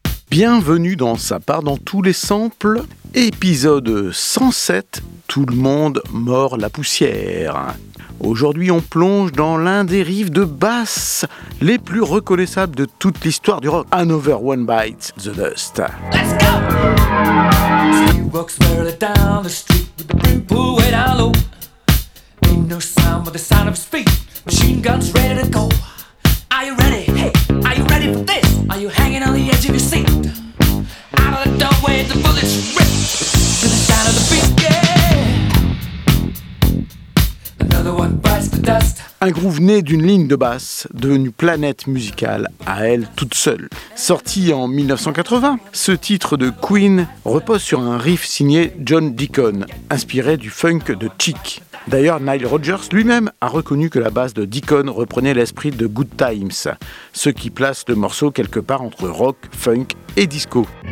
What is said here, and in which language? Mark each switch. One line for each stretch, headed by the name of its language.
French: Bienvenue dans Ça part dans tous les samples, épisode 107, Tout le monde mord la poussière. Aujourd'hui, on plonge dans l'un des riffs de basse les plus reconnaissables de toute l'histoire du rock, Another One Bites the Dust.
English: Let's go! He walks further down the street with the brim pool way down low. Ain't no sound but the sound of his feet. Machine guns ready to go. Are you ready? Hey, are you ready for this? Are you hanging on the edge of your seat? Out of the doorway, the bullets rip to the sound of the beast, yeah. Another one bites the dust.
French: Un groove né d'une ligne de basse, devenue planète musicale à elle toute seule. Sorti en 1980, ce titre de Queen repose sur un riff signé John Deacon, inspiré du funk de Chic. D'ailleurs, Nile Rodgers lui-même a reconnu que la basse de Deacon reprenait l'esprit de Good Times, ce qui place le morceau quelque part entre rock, funk et disco.